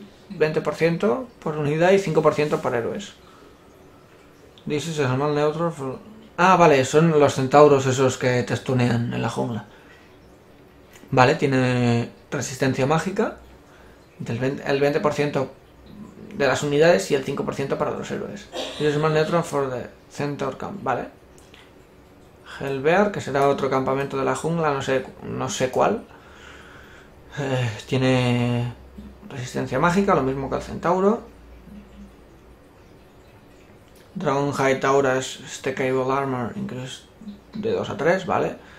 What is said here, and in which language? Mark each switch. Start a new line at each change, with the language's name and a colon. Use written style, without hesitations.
Spanish: 20% por unidad y 5% para héroes.
English: This is a small neutral for...
Spanish: Ah, vale, son los centauros esos que te stunean en la jungla. Vale, tiene resistencia mágica. El 20% de las unidades y el 5% para los héroes.
English: This is a small neutral for the centaur camp.
Spanish: Vale. Hellbear, que será otro campamento de la jungla, no sé cuál. Tiene resistencia mágica, lo mismo que el centauro. Dragon Hide Aura es Stackable Armor, increase de 2 a 3, ¿vale?